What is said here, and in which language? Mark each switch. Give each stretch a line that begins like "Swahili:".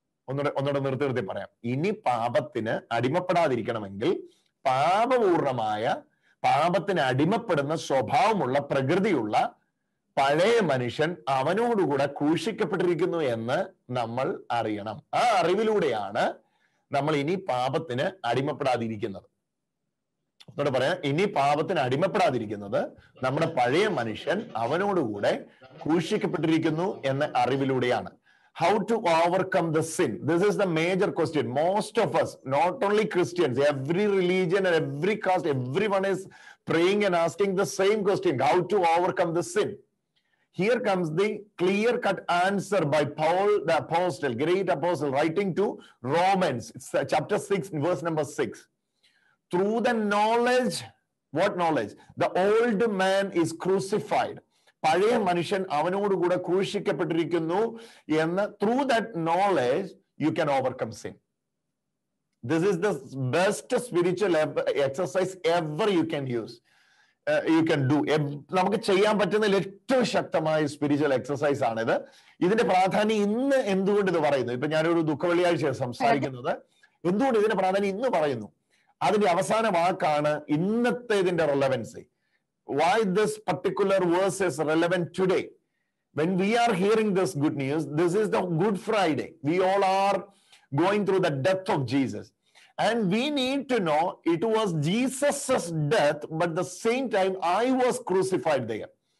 Malayalam: ഒന്നുകൂടെ നിർത്തി നിർത്തി പറയാം, ഇനി പാപത്തിന് അടിമപ്പെടാതിരിക്കണമെങ്കിൽ പാപപൂർണമായ, പാപത്തിന് അടിമപ്പെടുന്ന സ്വഭാവമുള്ള, പ്രകൃതിയുള്ള പഴയ മനുഷ്യൻ അവനോടുകൂടെ ക്രൂശിക്കപ്പെട്ടിരിക്കുന്നു എന്ന് നമ്മൾ അറിയണം. ആ അറിവിലൂടെയാണ് നമ്മൾ ഇനി പാപത്തിന് അടിമപ്പെടാതിരിക്കുന്നത്. ഒന്നുകൂടെ പറയാം, ഇനി പാപത്തിന് അടിമപ്പെടാതിരിക്കുന്നത് നമ്മുടെ പഴയ മനുഷ്യൻ അവനോടുകൂടെ ക്രൂശിക്കപ്പെട്ടിരിക്കുന്നു എന്ന അറിവിലൂടെയാണ്.
English: How to overcome the sin? This is the major question. Most of us, not only Christians, every religion and every caste, everyone is praying and asking the same question. How to overcome the sin? Here comes the clear-cut answer by Paul the Apostle, great apostle, writing to Romans, chapter 6, verse number 6. Through the knowledge, what knowledge? The old man is crucified.
Malayalam: പഴയ മനുഷ്യൻ അവനോട് കൂടെ ക്രൂശിക്കപ്പെട്ടിരിക്കുന്നു എന്ന്
English: Through that knowledge you can overcome sin. This is the best spiritual exercise ever you can use you can do.
Malayalam: നമുക്ക് ചെയ്യാൻ പറ്റുന്ന ഏറ്റവും ശക്തമായ സ്പിരിച്വൽ എക്സസൈസ് ആണിത്. ഇതിന്റെ പ്രാധാന്യം ഇന്ന് എന്തുകൊണ്ട് ഇത് പറയുന്നു? ഇപ്പൊ ഞാനൊരു ദുഃഖവെള്ളിയാഴ്ചയാണ് സംസാരിക്കുന്നത്. എന്തുകൊണ്ട് ഇതിന്റെ പ്രാധാന്യം ഇന്ന് പറയുന്നു? അതിന്റെ അവസാന വാക്കാണ് ഇന്നത്തെ ഇതിന്റെ relevance.
English: Why this particular verse is relevant today? When we are hearing this good news, this is the Good Friday. We all are going through the death of Jesus. And we need to know it was Jesus's death, but at the same time, I was crucified there.